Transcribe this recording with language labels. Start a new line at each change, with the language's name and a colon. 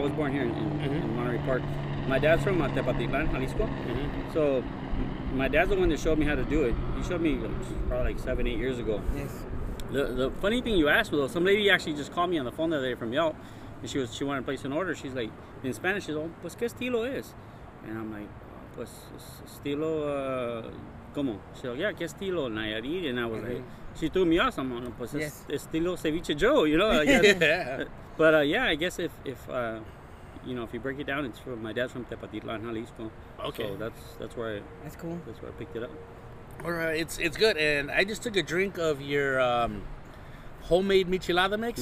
English: I was born here in Monterey Park. My dad's from Tepatitlan, Jalisco. Mm-hmm. So my dad's the one that showed me how to do it. He showed me probably like 7-8 years ago. Yes. The funny thing you asked, though, some lady actually just called me on the phone the other day from Yelp, and she wanted to place an order. She's like, in Spanish, she's like,
Spanish: pues, ¿qué estilo es?
English: And I'm like,
Spanish: pues, estilo, ¿cómo?
English: She's like, yeah,
Spanish: ¿qué estilo?
English: Nayarit. And I was like, she threw me off. I'm like,
Spanish: pues, estilo
English: Ceviche Joe, you know? Yeah. But, yeah, I guess if you break it down, it's from, my dad's from Tepatitlan, Jalisco. Okay. So that's where I picked it up. All right, it's good, and I just took a drink of your homemade michelada mix.